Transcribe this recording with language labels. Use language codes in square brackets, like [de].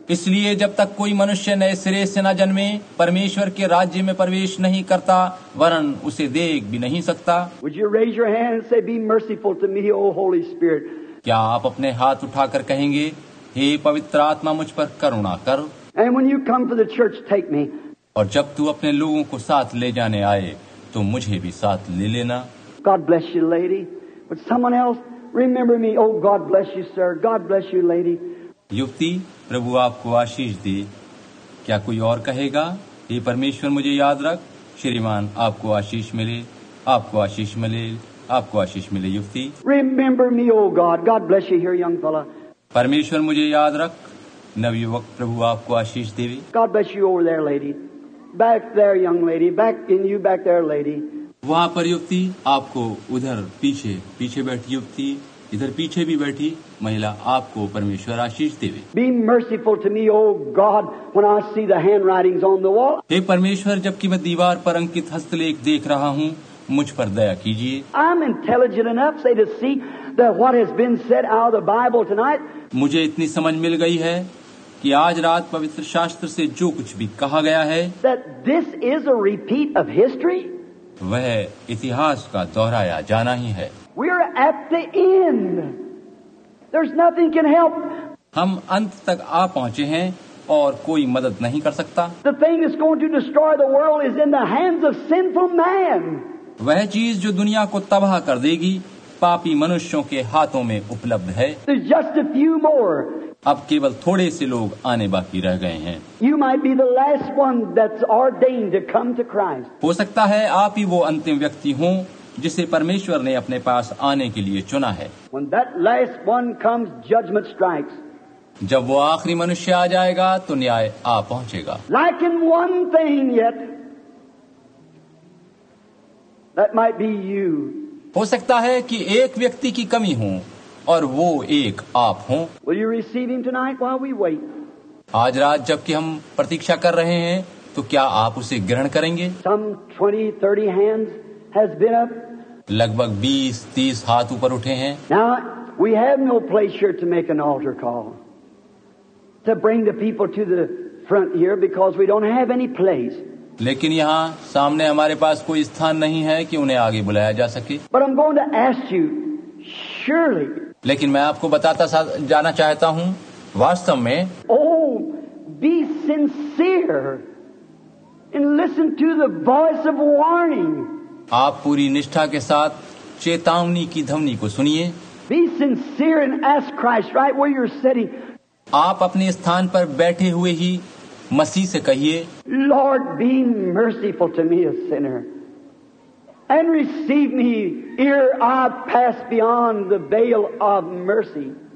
[hi] इसलिए जब तक कोई मनुष्य नए सिरे से न जन्मे, परमेश्वर के राज्य में प्रवेश नहीं करता, वरन उसे देख भी नहीं सकता। [en] Would you raise your hand and say, "Be merciful to me, O Holy Spirit"? [hi] क्या आप अपने हाथ उठाकर कहेंगे, हे पवित्र आत्मा मुझ पर करुणा कर? [en] And when you come to the church, take me. [hi] और जब तू अपने लोगों को साथ ले जाने आए, तो मुझे भी साथ ले लेना। [en] God bless you, lady. But someone else, remember me. Oh, God bless you, sir. God bless you, lady. [hi] युवती, प्रभु आपको आशीष दे। क्या कोई और कहेगा? हे परमेश्वर मुझे याद रख। श्रीमान, आपको आशीष मिले। आपको आशीष मिले। आपको आशीष मिले, युवती। [en] Remember me, oh God. God bless you here, young fella. [hi] परमेश्वर मुझे याद रख। नवयुवक, प्रभु आपको आशीष देवे। [en] God bless you over there, lady. Back there, young lady. Back in you, back there, lady. [hi] वहाँ पर युवती, आपको उधर पीछे पीछे बैठी युवती, इधर पीछे भी बैठी महिला, आपको परमेश्वर आशीष देवे। [en] Be merciful to me, O God, when I see the handwritings on the wall. [hi] हे परमेश्वर, जबकि मैं दीवार पर अंकित हस्तलेख देख रहा हूँ, मुझ पर दया कीजिए। [en] I'm intelligent enough, say, to see that what has been said out of the Bible tonight. [hi] मुझे इतनी समझ मिल गई है कि आज रात पवित्र शास्त्र से जो कुछ भी कहा गया है, [en] that this is a repeat of history? [hi] वह इतिहास का दोहराया जाना ही है। [en] We are at the end. There's nothing can help. [hi] हम अंत तक आ पहुँचे हैं और कोई मदद नहीं कर सकता। [en] The thing that's going to destroy the world is in the hands of sinful man. [hi] वह चीज जो दुनिया को तबाह कर देगी, पापी मनुष्यों के हाथों में उपलब्ध है। [en] There's just a few more. [hi] अब केवल थोड़े से लोग आने बाकी रह गए हैं। [en] You might be the last one that's ordained to come to Christ. [hi] हो सकता है आप ही वो अंतिम व्यक्ति हों जिसे परमेश्वर ने अपने पास आने के लिए चुना है। [en] When that last one comes, judgment strikes. [hi] जब वो आखिरी मनुष्य आ जाएगा तो न्याय आ पहुंचेगा। [en] Like in one thing yet, that might be you. [hi] हो सकता है कि एक व्यक्ति की कमी हो और वो एक आप हो। [en] Will you receive him tonight while we wait? [hi] आज रात जबकि हम प्रतीक्षा कर रहे हैं, तो क्या आप उसे ग्रहण करेंगे? [en] Some 20-30 hands has been up. [hi] लगभग 20-30 हाथ ऊपर उठे हैं। [en] Now we have no place here to make an altar call to bring the people to the front here because we don't have any place. [hi] लेकिन यहाँ सामने हमारे पास कोई स्थान नहीं है कि उन्हें आगे बुलाया जा सके। [en] But I'm going to ask you, surely, [hi] लेकिन मैं आपको बताता जाना चाहता हूँ, वास्तव में। [en] Oh, be sincere and listen to the voice of warning. [hi] आप पूरी निष्ठा के साथ चेतावनी की ध्वनि को सुनिए। [en] Be sincere and ask Christ right where you're sitting. [hi] आप अपने स्थान पर बैठे हुए ही मसीह से कहिए, [en] Lord, be merciful to me, a sinner, and receive me ere I pass beyond the veil of mercy.